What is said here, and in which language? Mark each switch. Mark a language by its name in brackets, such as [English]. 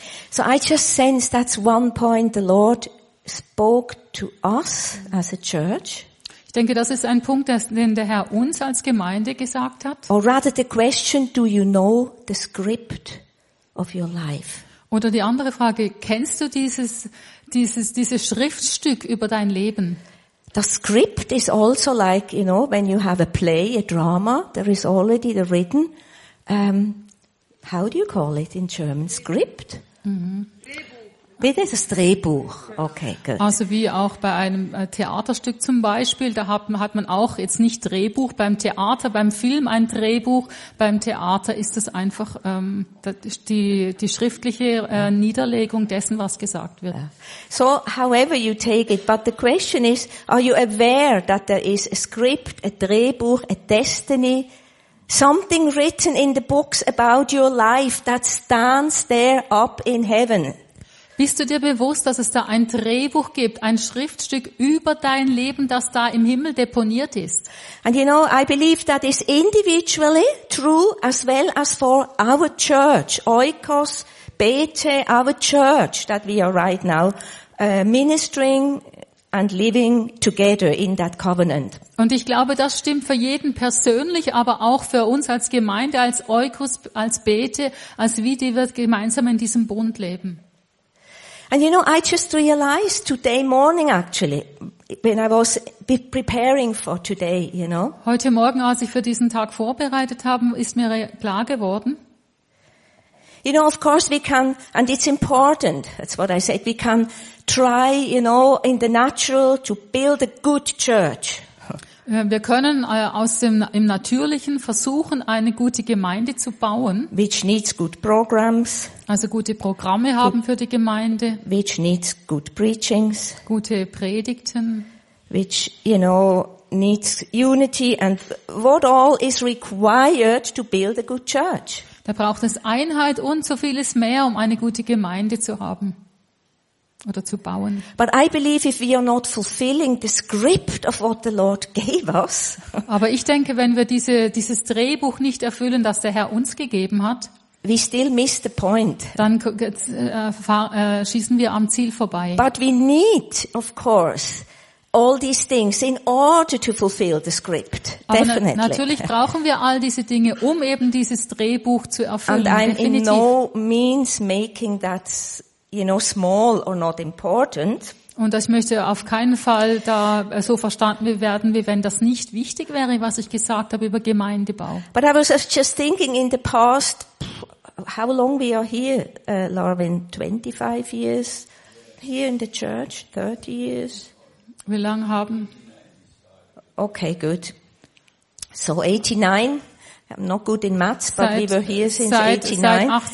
[English] So I just sense that's one point the Lord spoke to us as a church. [German] Ich denke, das ist ein Punkt, den der Herr uns als Gemeinde gesagt hat. [English] Or rather the question, do you know the script of your life? [German] Oder die andere Frage, kennst du dieses Schriftstück über dein Leben? [English] The script is also like, you know, when you have a play, a drama, there is already the written, how do you call it in German, script? [German] Mm-hmm. Bitte, das Drehbuch. [English] Okay, good. [German] Also wie auch bei einem Theaterstück zum Beispiel, da hat man auch jetzt nicht Drehbuch beim Theater, beim Film ein Drehbuch, beim Theater ist es einfach die schriftliche Niederlegung dessen, was gesagt wird. [English] So, however you take it, but the question is, are you aware that there is a script, a Drehbuch, a destiny, something written in the books about your life that stands there up in heaven? [German] Bist du dir bewusst, dass es da ein Drehbuch gibt, ein Schriftstück über dein Leben, das da im Himmel deponiert ist? [English] And you know, I believe that is individually true as well as for our church, Oikos, Bete, our church that we are right now ministering and living together in that covenant. [German] Und ich glaube, das stimmt für jeden persönlich, aber auch für uns als Gemeinde, als Oikos, als Bete, als wie die wir gemeinsam in diesem Bund leben. [English] And you know, I just realized today morning actually, when I was preparing for today, you know. [German] Heute Morgen, als ich für diesen Tag vorbereitet habe, ist mir klar geworden. [English] You know, of course we can, and it's important, that's what I said, we can try, you know, in the natural to build a good church. [German] Wir können aus dem im Natürlichen versuchen, eine gute Gemeinde zu bauen. [English] Which needs good programs. [German] Also gute Programme haben für die Gemeinde. [English] Which needs good preachings. [German] Gute Predigten. [English] Which, you know, needs unity and what all is required to build a good church. [German] Da braucht es Einheit und so vieles mehr, um eine gute Gemeinde zu haben oder zu bauen. [English] But I believe if we are not fulfilling the script of what the Lord gave us. [German] Aber ich denke, wenn wir dieses Drehbuch nicht erfüllen, das der Herr uns gegeben hat, [English] we still miss the point. [German] Dann schießen wir am Ziel vorbei. [English] But we need, of course, all these things in order to fulfill the script. Definitely. [German] Aber natürlich brauchen wir all diese Dinge, um eben dieses Drehbuch zu erfüllen. [English] And I'm in no means making that, you know, small or not important. [German] Und ich möchte auf keinen Fall da so verstanden werden, wie wenn das nicht wichtig wäre, was ich gesagt habe über Gemeindebau. [English] But I was just thinking in the past, how long we are here, Larvin, 25 years here in the church, 30 years. [German] Wie lange haben? [English] Okay, good. So 89. I'm not good in maths, but we were here since 89.